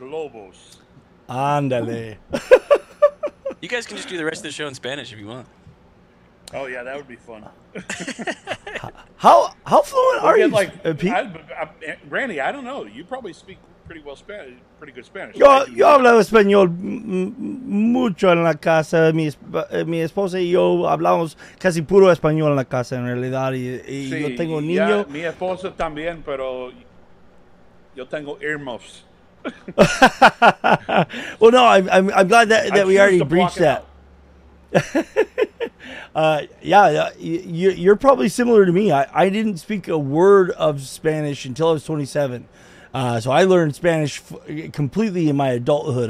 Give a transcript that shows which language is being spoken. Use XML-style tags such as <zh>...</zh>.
<es>Lobos. Andale.</es> <en>You guys can just do the rest of the show in Spanish if you want. Oh, yeah, that would be fun. How fluent are you? Like, Randy, I don't know. You probably speak pretty well Spanish, pretty good Spanish.</en> <es>Yo hablo español mucho en la casa. Mi esposa y yo hablamos casi puro español en la casa, en realidad. Y sí, yo tengo niño. Ya, mi esposa también, pero yo tengo earmuffs.</es> <en>Well, no, I'm glad that we already breached that. you're probably similar to me. I didn't speak a word of Spanish until I was 27. So I learned Spanish completely in my adulthood.</en>